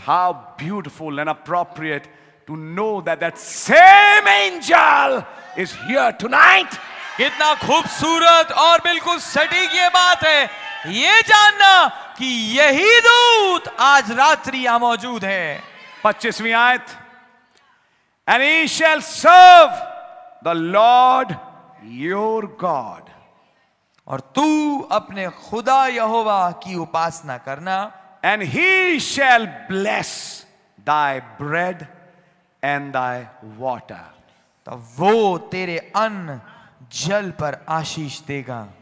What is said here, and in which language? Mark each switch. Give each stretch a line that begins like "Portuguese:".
English: How beautiful and appropriate to know that same angel is here tonight.
Hindi: कितना खूबसूरत और बिल्कुल सटीक ये बात है ये जानना कि यही दूत आज रात्रि यहां मौजूद है। 25वीं आयत,
English: And he shall serve the Lord your God.
Hindi: और तू अपने खुदा यहोवा की उपासना करना.
English: And he shall bless thy bread and thy water.
Hindi: तब वो तेरे अन्न जल पर आशीष देगा.